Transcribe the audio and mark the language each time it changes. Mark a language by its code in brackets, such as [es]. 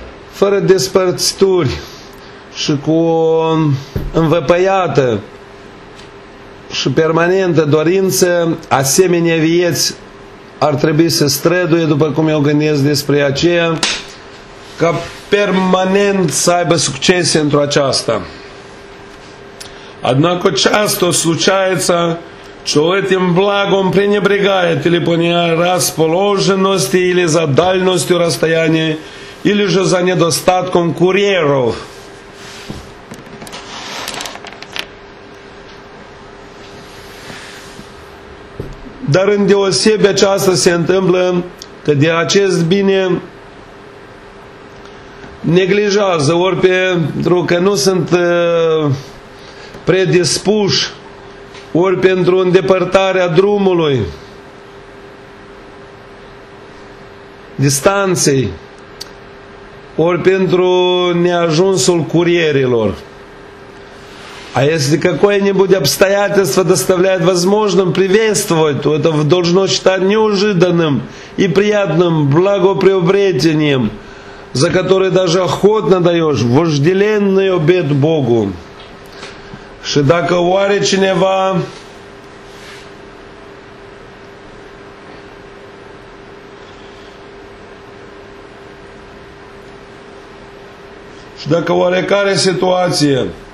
[ro] Fără despărțituri și cu o învăpăiată și permanentă dorință, asemenea vieți ar trebui să străduie, după cum eu gândesc despre aceea, ca permanent să aibă succes într-o aceasta. [ru] Однако часто случается, что этим благом пренебрегает или по нерасположенности, или за дальностью расстояния, или же за недостатком курьеров. [ro] Dar în deosebi aceasta se întâmplă că de acest bine neglijează ori pentru că nu sunt predispuși, ori pentru îndepărtarea drumului, distanței, ori pentru neajunsul curierilor. [ru] А если какое-нибудь обстоятельство доставляет возможным приветствовать, то это должно считать неожиданным и приятным благоприобретением, за которое даже охотно даешь вожделенный обет Богу. [ro] Și dacă oare cineva și dacă oarecare situație